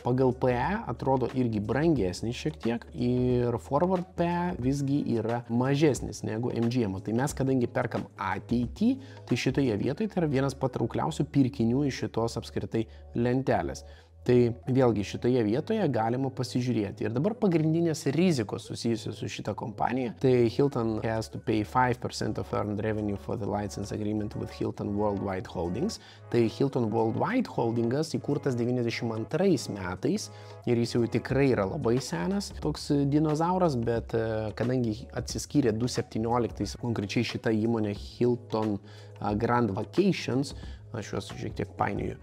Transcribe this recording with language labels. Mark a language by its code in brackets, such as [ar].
[lt] Pagal PE atrodo irgi brangesnis šiek tiek ir Forward PE visgi yra mažesnis negu MGM'o. Tai mes, kadangi perkam ateitį, tai šitoje vietoje tai yra vienas patraukliausių pirkinių iš šitos apskritai lentelės. Tai vėlgi šitoje vietoje galima pasižiūrėti. Ir dabar pagrindinės rizikos susijusios su šita kompanija. [en] Tai Hilton has to pay 5% of earned revenue for the license agreement with Hilton Worldwide Holdings. [lt] Tai Hilton Worldwide Holdings įkurtas 92 metais ir jis jau tikrai yra labai senas toks dinozauras, bet kadangi atsiskyrė 2017, konkrečiai šita įmonė Hilton Grand Vacations, aš juos šiek tiek painioju.